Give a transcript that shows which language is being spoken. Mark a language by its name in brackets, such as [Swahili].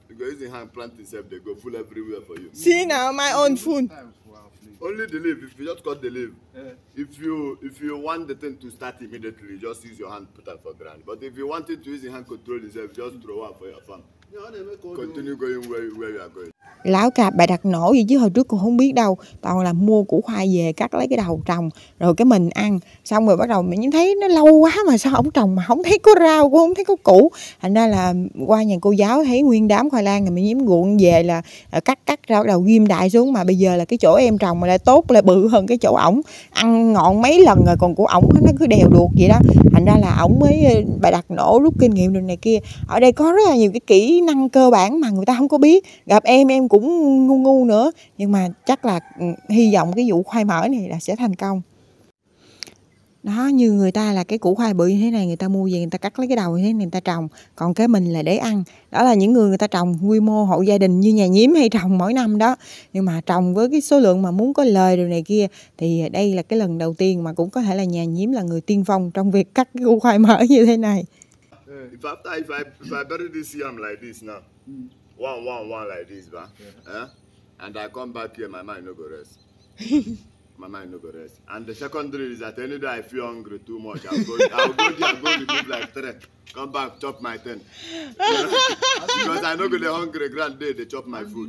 [English] You go use the hand, plant itself, they go full everywhere for you. See now, my own food. Only the leaf, if you just cut the leaf. If you want the thing to start immediately, just use your hand, put it for ground. But if you want it to use the hand, control itself, just throw it for your farm. Continue going where you are going. [Vietnamese] Lão cạp bà đặt nổ gì chứ hồi trước cũng không biết đâu. Toàn là mua củ khoai về cắt lấy cái đầu trồng rồi cái mình ăn. Xong rồi bắt đầu mình thấy nó lâu quá mà sao ổng trồng mà không thấy có rau cũng không thấy có củ. Thành ra là qua nhà cô giáo thấy nguyên đám khoai lang rồi mình nhím ruộng về là cắt rau đầu ghim đại xuống. Mà bây giờ là cái chỗ em trồng mà lại tốt lại bự hơn cái chỗ ổng. Ăn ngọn mấy lần rồi còn của ổng nó cứ đèo đuột vậy đó. Thành ra là ổng mới bà đặt nổ rút kinh nghiệm được này kia. Ở đây có rất là nhiều cái kỹ năng cơ bản mà người ta không có biết. Gặp em cũng ngu ngu nữa, nhưng mà chắc là hy vọng cái vụ khoai mỡ này là sẽ thành công. Đó, như người ta là cái củ khoai bự như thế này, người ta mua về người ta cắt lấy cái đầu như thế này người ta trồng, còn cái mình là để ăn. Đó là những người ta trồng quy mô hộ gia đình như nhà nhím hay trồng mỗi năm đó. Nhưng mà trồng với cái số lượng mà muốn có lời điều này kia thì đây là cái lần đầu tiên mà cũng có thể là nhà nhím là người tiên phong trong việc cắt cái củ khoai mỡ như thế này. [English] If I better this year, I'm like this now. One like this, ba. Yeah. And I come back here, my mind no go rest. My mind no go rest. And the secondary is that any day I feel hungry too much, I'll go like three. Come back, chop my ten. Because I know go the hungry grand day, they chop my food.